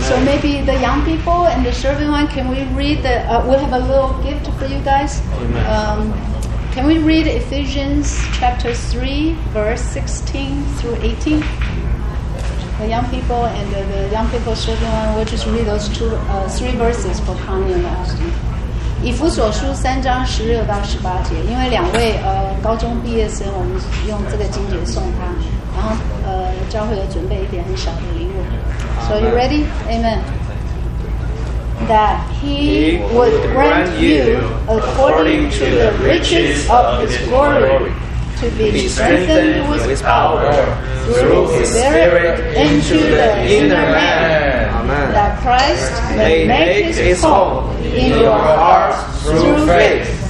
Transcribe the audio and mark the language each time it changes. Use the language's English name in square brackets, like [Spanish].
[English] So maybe the young people and the serving one, can we read the, we have a little gift for you guys. Amen. Can we read Ephesians chapter 3, verse 16 through 18? The young people and the young people serving one, we'll just read those three verses for Connie and Austin. [Chinese] 以弗所书3:16-18，因为两位高中毕业生，我们用这个经节送他。然后教会也准备一点很小的礼物。 [English] So you ready? Amen. That he would grant you according to the riches of his glory to be strengthened with power through his spirit into the inner man. Amen. That Christ may make his home in your heart through faith.